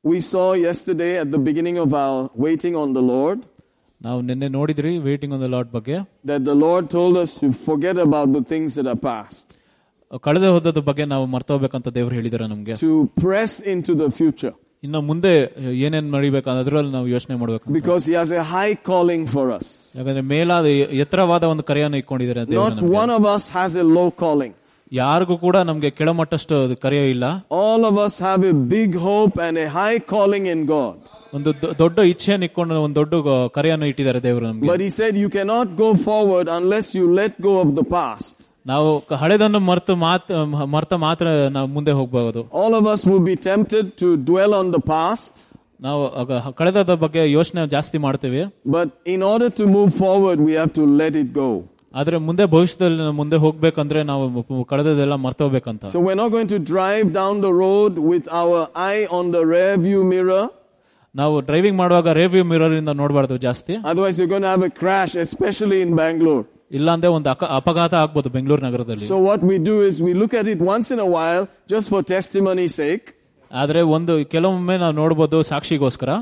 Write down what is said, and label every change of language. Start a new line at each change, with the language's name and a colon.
English: We saw yesterday at the beginning of our waiting on the Lord.
Kannada: ನಾವು ನಿನ್ನೆ ನೋಡಿದ್ರಿ
English: waiting on the Lord
Kannada: ಬಗ್ಗೆ.
English: That the Lord told us to forget about the things that are past.
Kannada: ಕಳೆದು ಹೋದ ಬಗ್ಗೆ ನಾವು ಮರ್ತು ಹೋಗಬೇಕಂತ ದೇವರು ಹೇಳಿದ್ರೆ ನಮಗೆ.
English: To press into the future.
Kannada: ಇನ್ನ ಮುಂದೆ ಏನೇನ್ ಮಾಡಬೇಕಂದ್ರಲ್ಲಿ ನಾವು ಯೋಚನೆ ಮಾಡಬೇಕು.
English: Because he has a high calling for us.
Kannada: ಯಾಕಂದ್ರೆ ಮೇಲಾದ ಎತ್ತರವಾದ ಒಂದು ಕರೆಯನ್ನು ಇಟ್ಕೊಂಡಿದ್ದಾರೆ ದೇವರು.
English: Not one of us has a low calling.
Kannada: ಯಾರಿಗೂ ಕೂಡ ನಮಗೆ ಕೆಳಮಟ್ಟಷ್ಟು ಕರೆಯ ಇಲ್ಲ.
English: All of us have a big hope and a high calling in God.
Kannada: ಒಂದು ದೊಡ್ಡ ಇಚ್ಛೆಯನ್ನು ಇಟ್ಕೊಂಡು ಒಂದು ದೊಡ್ಡ ಕರೆಯನ್ನು ಇಟ್ಟಿದ್ದಾರೆ ದೇವರು ನಮಗೆ.
English: But he said you cannot go forward unless you let go of the past.
Kannada: ನಾವು ಹಳೆದನ್ನು ಮರ್ತ ಮಾತ್ರ ನಾವು ಮುಂದೆ ಹೋಗಬಹುದು.
English: All of us will be tempted to dwell on the past.
Kannada: ನಾವು ಕಳೆದದ ಬಗ್ಗೆ ಯೋಚನೆ ಜಾಸ್ತಿ ಮಾಡ್ತೇವೆ.
English: But in order to move forward we have to let it go.
Kannada: ಆದ್ರೆ ಮುಂದೆ ಭವಿಷ್ಯದಲ್ಲಿ ಮುಂದೆ ಹೋಗ್ಬೇಕಂದ್ರೆ ನಾವು ಕಳೆದೆಲ್ಲ ಮರ್ತು ಹೋಗ್ಬೇಕಂತ.
English: So we're not going to drive down the road with our eye on the rear view mirror.
Kannada: ನಾವು ಡ್ರೈವಿಂಗ್ ಮಾಡುವಾಗ ರೇರ್ ವ್ಯೂ ಮಿರರ್ ಇಂದ ನೋಡಬಾರದು ಜಾಸ್ತಿ.
English: Otherwise you gonna have a crash especially in Bangalore.
Kannada: ಇಲ್ಲಾಂದ್ರೆ ಒಂದು ಅಪಘಾತ ಆಗ್ಬಹುದು ಬೆಂಗಳೂರು ನಗರದಲ್ಲಿ.
English: So what we do is we look at it once in a while just for testimony sake.
Kannada: ಆದ್ರೆ ಒಂದು ಕೆಲವೊಮ್ಮೆ ನಾವು ನೋಡಬಹುದು ಸಾಕ್ಷಿಗೋಸ್ಕರ.